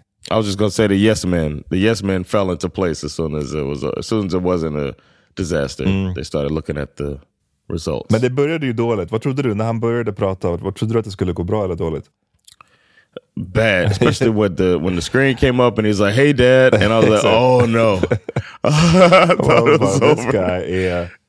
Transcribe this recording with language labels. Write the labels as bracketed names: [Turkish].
[English] I was just going to say the yes men fell into place as soon as it wasn't a disaster. Mm. They started looking at the results. [Swedish] Men det började ju dåligt. Vad trodde du när han började prata? Vad trodde du att det skulle gå bra eller dåligt? [English] Bad, especially when the screen came up and he's like, "Hey, Dad," and I was like, "Oh no!" I thought it was over. This guy, yeah.